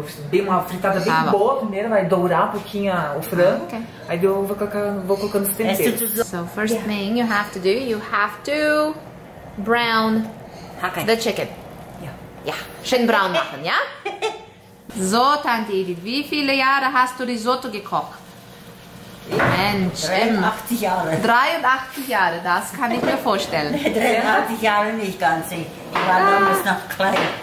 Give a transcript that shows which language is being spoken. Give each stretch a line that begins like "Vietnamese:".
Portuguese: Dei uma fritada bem boa primeiro, vai dourar um pouquinho o frango. Aí eu vou colocando os temperos.
English: So first thing you have to do, you have to brown the chicken. Yeah.
German: Ja, schön braun machen, ja? So, Tante Edith, wie viele Jahre hast du Risotto gekocht? Mensch, 83 Jahre. 83 Jahre, das kann ich mir vorstellen. 83 Jahre nicht ganz. Ich war damals noch klein.